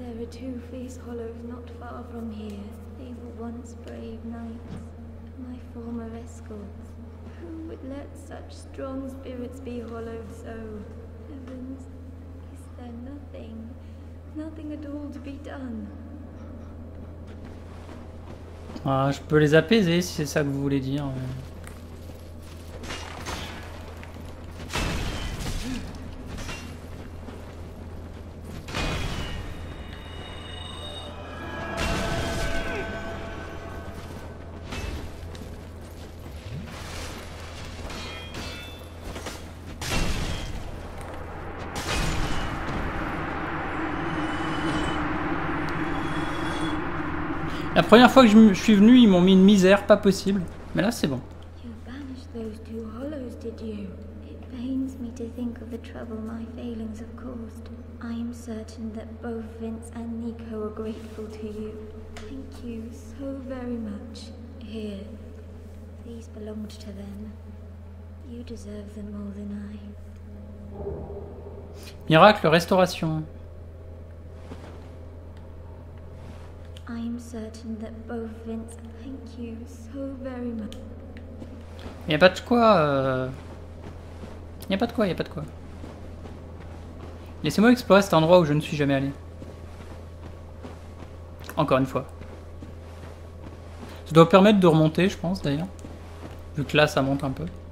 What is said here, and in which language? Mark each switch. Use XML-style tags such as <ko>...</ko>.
<en>Two face hollows not far from here. They were once brave knights, my former escorts. Who would let such strong spirits be hollowed so? Heavens, is there nothing? Nothing at all to be done.</en> <fr>Ah, je peux les apaiser si c'est ça que vous voulez dire. La première fois que je suis venu, ils m'ont mis une misère, pas possible. Mais là, c'est bon.</fr> <en>You banished those two hollows, did you? It pains me to think of the trouble my failings have caused. I am certain that both Vince and Nico are grateful to you. Thank you so very much. Here, these belonged to them. You deserve them more than I.</en> <fr>Miracle restauration.</fr> <en>I'm certain that both Vince thank you so very much.</en> <fr>Y a pas de quoi. Y a pas de quoi, y a pas de quoi. Laissez-moi explorer cet endroit où je ne suis jamais allé. Encore une fois. Ça doit permettre de remonter, je pense, d'ailleurs. Vu que là, ça monte un peu.</fr>